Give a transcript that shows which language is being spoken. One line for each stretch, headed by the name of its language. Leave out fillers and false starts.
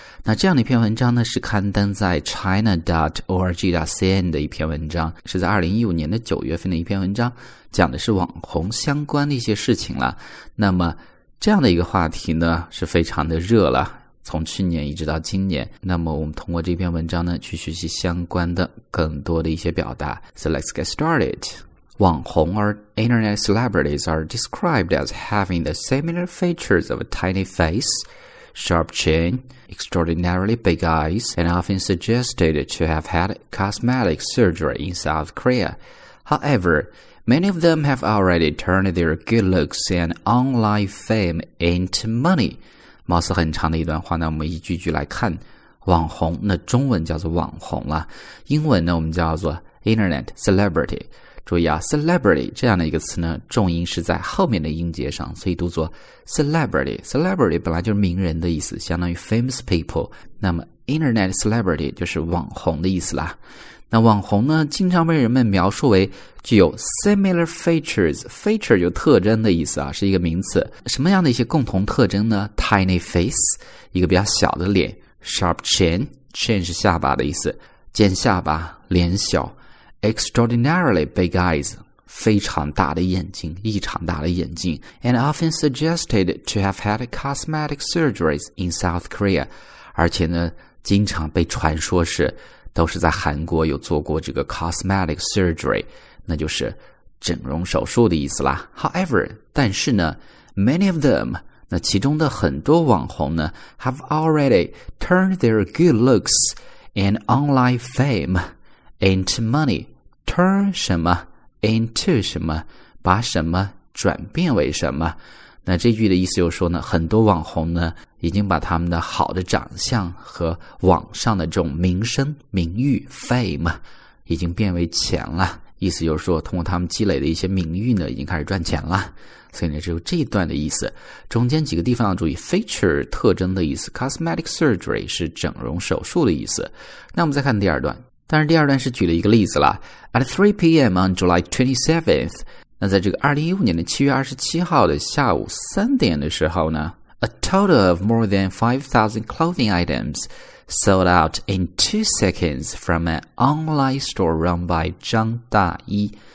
Chinese: 那这样的一篇文章呢，是刊登在 china.org.cn 的一篇文章，是在2015年的9月份的一篇文章，讲的是网红相关的一些事情了。那么这样的一个话题呢是非常的热了，从去年一直到今年，那么我们通过这篇文章呢去学习相关的更多的一些表达。
English: So let's get started. 网红 or internet celebrities are described as having the similar features of a tiny face, sharp chin, extraordinarily big eyes, and often suggested to have had cosmetic surgery in South Korea. However, many of them have already turned their good looks and online fame into money.
Chinese: 貌似很长的一段话呢，我们一句句来看。网红，那中文叫做网红了，英文呢我们叫做 internet celebrity。注意啊， celebrity 这样的一个词呢，重音是在后面的音节上，所以读作 celebrity。 celebrity 本来就是名人的意思，相当于 famous people。那么 internet celebrity 就是网红的意思啦。那网红呢，经常被人们描述为具有
English: similar features，
Chinese: feature 就特征的意思啊，是一个名词。什么样的一些共同特征呢？
English: tiny face，
Chinese: 一个比较小的脸，
English: sharp chin，
Chinese: chin 是下巴的意思，尖下巴，脸小，
English: extraordinarily big eyes，
Chinese: 非常大的眼睛，异常大的眼睛，
English: and often suggested to have had cosmetic surgeries in South Korea，
Chinese: 而且呢经常被传说是都是在韩国有做过这个 cosmetic surgery， 那就是整容手术的意思啦。
English: However，
Chinese: 但是呢，
English: many of them，
Chinese: 那其中的很多网红呢，
English: have already turned their good looks and online fame into money。
Chinese: turn 什么， into 什么，把什么转变为什么。那这句的意思就是说呢，很多网红呢已经把他们的好的长相和网上的这种名声名誉 fame 已经变为钱了，意思就是说通过他们积累的一些名誉呢已经开始赚钱了，所以呢只有这一段的意思。中间几个地方要注意， feature 特征的意思， cosmetic surgery 是整容手术的意思。那我们再看第二段，但是第二段是举了一个例子了。
English: At 3pm on July 27th，
Chinese: 那在这个2015年的7月27号的下午3点的时候呢，
English: A total of more than 5,000 clothing items sold out in 2 seconds from an online store run by 张大一。